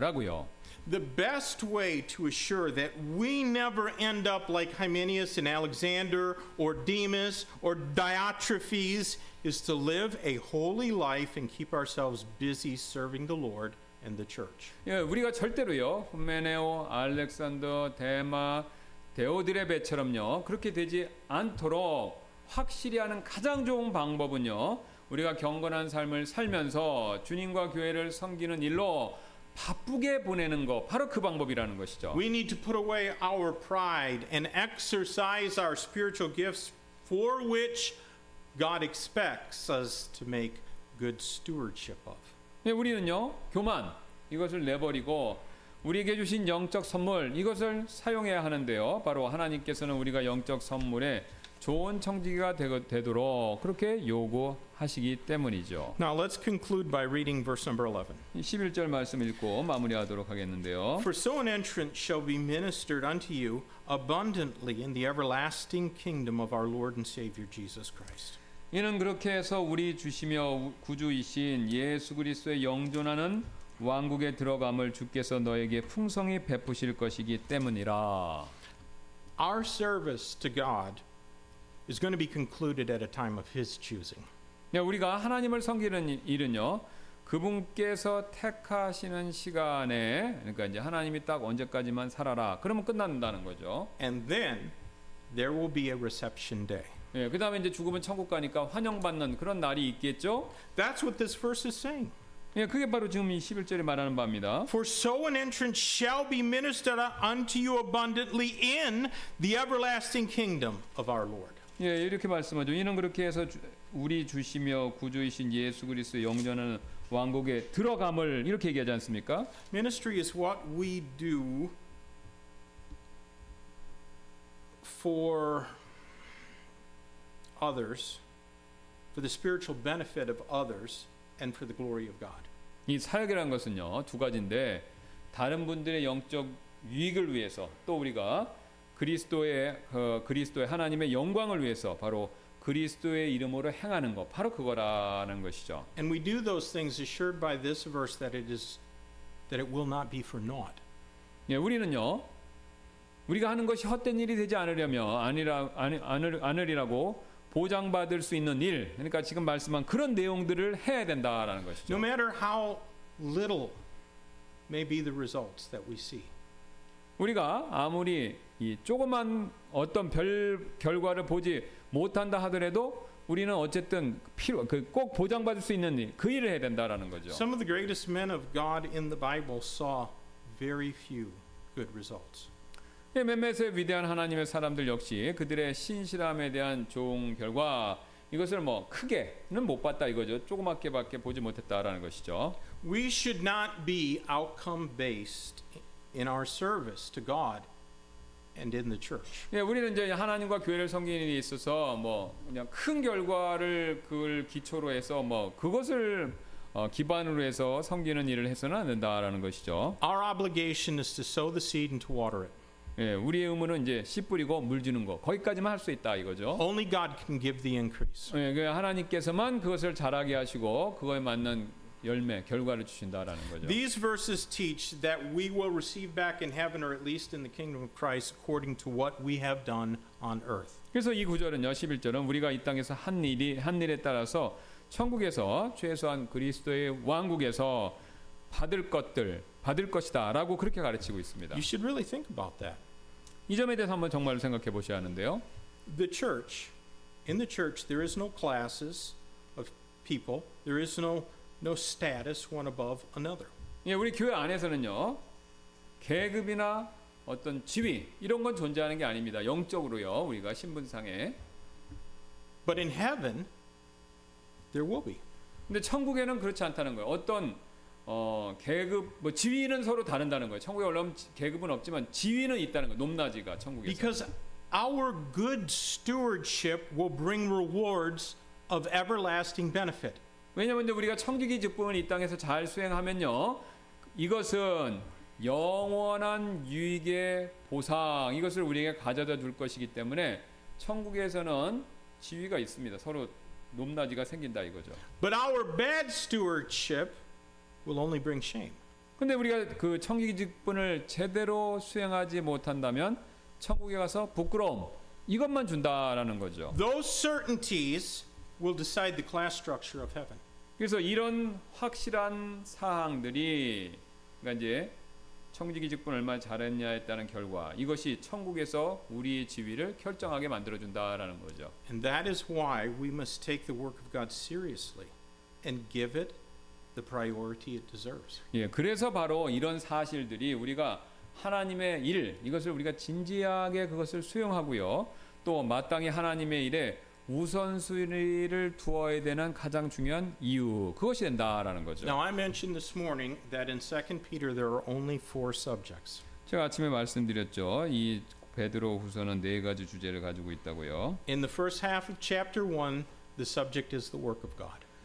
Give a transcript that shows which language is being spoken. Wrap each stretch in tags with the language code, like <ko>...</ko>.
<ko>라고요.</ko> <en>The best way to assure that we never end up like Hymenaeus and Alexander or Demas or Diotrephes is to live a holy life and keep ourselves busy serving the Lord and the church.</en> <ko>예, 우리가 절대로요. 후메네오, 알렉산더, 데마, 데오드레베처럼요. 그렇게 되지 않도록 확실히 하는 가장 좋은 방법은요. 우리가 경건한 삶을 살면서 주님과 교회를 섬기는 일로 바쁘게 보내는 거 바로 그 방법이라는 것이죠.</ko> <en>We need to put away our pride and exercise our spiritual gifts for which God expects us to make good stewardship of.</en> <ko>네, 우리는요. 교만 이것을 내버리고 우리에게 주신 영적 선물 이것을 사용해야 하는데요. 바로 하나님께서는 우리가 영적 선물에 좋은 청지기가 되도록 그렇게 요구하시기 때문이죠.</ko> <en>Now let's conclude by reading verse number 11.</en> <ko>11절 말씀 읽고 마무리하도록 하겠는데요.</ko> <en>For so an entrance shall be ministered unto you abundantly in the everlasting kingdom of our Lord and Savior Jesus Christ.</en> <ko>이는 그렇게 해서 우리 주시며 구주이신 예수 그리스도의 영존하는 왕국에 들어감을 주께서 너에게 풍성히 베푸실 것이기 때문이라.</ko> <en>Our service to God is going to be concluded at a time of His choosing.</en> <ko>네, 우리가 하나님을 섬기는 일은요, 그분께서 택하시는 시간에, 그러니까 이제 하나님이 딱 언제까지만 살아라, 그러면 끝난다는 거죠.</ko> <en>And then there will be a reception day.</en> <ko>네, 그 다음에 이제 죽으면 천국 가니까 환영받는 그런 날이 있겠죠.</ko> <en>That's what this verse is saying.</en> <ko>예, 그게 바로 지금 이 11절에 말하는 바입니다.</ko> <en>For so an entrance shall be ministered unto you abundantly in the everlasting kingdom of our Lord.</en> <ko>예, 이렇게 말씀하죠. 이는 그렇게 해서 우리 주시며 구주이신 예수 그리스도의 영전하는 왕국에 들어감을 이렇게 얘기하지 않습니까?</ko> <en>Ministry is what we do for others, for the spiritual benefit of others. And for the glory of God.</en> <ko>이 사역이란 것은요 두 가지인데 다른 분들의 영적 유익을 위해서 또 우리가 그리스도의 그리스도의 하나님의 영광을 위해서 바로 그리스도의 이름으로 행하는 것 바로 그거라는 것이죠.</ko> <en>And we do those things assured by this verse that it is that it will not be for naught.</en> <ko>예, 우리는요 우리가 하는 것이 헛된 일이 되지 않으려며 아니라고. 보장받을 수 있는 일, 그러니까 지금 말씀한 그런 내용들을 해야 된다라는 것이죠.</ko> <en>No matter how little may be the results that we see.</en> <ko>우리가 아무리 이 조그만 어떤 별 결과를 보지 못한다 하더라도 우리는 어쨌든 필요 그 꼭 보장받을 수 있는 일, 그 일을 해야 된다라는 거죠.</ko> <en>Some of the greatest men of God in the Bible saw very few good results.</en> <ko>예, 몇몇의 위대한 하나님의 사람들 역시 그들의 신실함에 대한 좋은 결과 이것을 뭐 크게는 못 봤다 이거죠. 조그맣게밖에 보지 못했다라는 것이죠.</ko> <en>We should not be outcome based in our service to God and in the church.</en> <ko>예, 우리는 이제 하나님과 교회를 섬기는 데 있어서 뭐 그냥 큰 결과를 그걸 기초로 해서 뭐 그것을 기반으로 해서 섬기는 일을 해서는 안 된다라는 것이죠.</ko> <en>Our obligation is to sow the seed and to water it.</en> <ko>예, 우리의 의무는 이제 씨 뿌리고 물 주는 거 거기까지만 할 수 있다 이거죠.</ko> <en>Only God can give the increase.</en> <ko>예, 하나님께서만 그것을 자라게 하시고 그거에 맞는 열매 결과를 주신다라는 거죠.</ko> <en>These verses teach that we will receive back in heaven or at least in the kingdom of Christ according to what we have done on earth.</en> <ko>그래서 이 구절은요, 11절은 우리가 이 땅에서 한 일에 따라서 천국에서 최소한 그리스도의 왕국에서 받을 것들. 받을 것이다라고 그렇게 가르치고 있습니다.</ko> <en>You should really think about that.</en> <ko>이 점에 대해서 한번 정말 생각해 보셔야 하는데요.</ko> <en>The church, in the church, there is no classes of people. There is no status one above another.</en> <ko>예, 우리 교회 안에서는요 계급이나 어떤 지위 이런 건 존재하는 게 아닙니다. 영적으로요 우리가 신분상에.</ko> <en>But in heaven, there will be.</en> <ko>근데 천국에는 그렇지 않다는 거예요. 어떤 계급 뭐 지위는 서로 다른다는 거예요. 천국에 올라오면 계급은 없지만 지위는 있다는 거예요. 높낮이가 천국에.</ko> <en>Because our good stewardship will bring rewards of everlasting benefit.</en> <ko>왜냐면 이제 우리가 청지기 직분을 이 땅에서 잘 수행하면요. 이것은 영원한 유익의 보상. 이것을 우리에게 가져다 줄 것이기 때문에 천국에서는 지위가 있습니다. 서로 높낮이가 생긴다 이거죠.</ko> <en>But our bad stewardship will only bring shame.</en> <ko>근데 우리가 그 청지기 직분을 제대로 수행하지 못한다면 천국에 가서 부끄러움 이것만 준다라는 거죠.</ko> <en>Those certainties will decide the class structure of heaven.</en> <ko>그래서 이런 확실한 사항들이 그러니까 이제 청지기 직분 얼마나 잘했냐에 따른 결과 이것이 천국에서 우리의 지위를 결정하게 만들어 준다라는 거죠.</ko> <en>And that is why we must take the work of God seriously and give it the priority it deserves.</en> <ko>예, 그래서 바로 이런 사실들이 우리가 하나님의 일 이것을 우리가 진지하게 그것을 수용하고요. 또 마땅히 하나님의 일에 우선순위를 두어야 되는 가장 중요한 이유 그것이 된다라는 거죠.</ko> <en>Now I mentioned this morning that in 2 Peter there are only four subjects.</en> <ko>제가 아침에 말씀드렸죠. 이 베드로 후서는 네 가지 주제를 가지고 있다고요.</ko> <en>In the first half of chapter 1 the subject is the work of God.</en>